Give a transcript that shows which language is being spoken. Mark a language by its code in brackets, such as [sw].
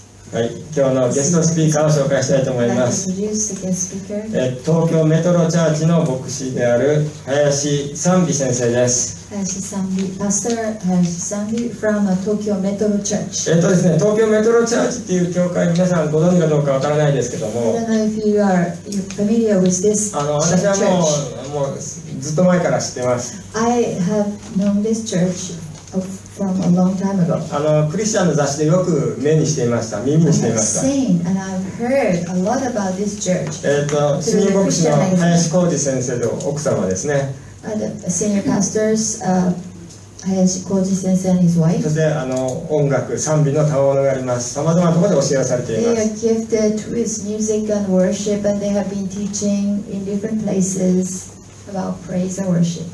[ja] はい、今日のゲストスピーカーを紹介したいと思います。東京メトロチャーチの牧師である林賛美先生です。林賛美、パスター林賛美 from 東京メトロチャーチ。ですね、東京メトロチャーチっていう教会、皆さんご存知かどうかわからないですけども、 [en] I don't know if you are familiar with this church. [ja] 私はもうずっと前から知ってます。 [en] I have known this churchFrom a long time ago. [ja] クリスチャンの雑誌でよく目にしていました、耳にしていました。 [en] I have seen and I've heard a lot about this church. [ja] 主任牧師の林浩二先生の奥様ですね。 [en] The senior pastors, 林浩二先生 and his wife. [ja] そして音楽、賛美の賜物があります。さまざまなところで教えられています。 [en] They are gifted with music and worship and they have been teaching in different places about praise and worship.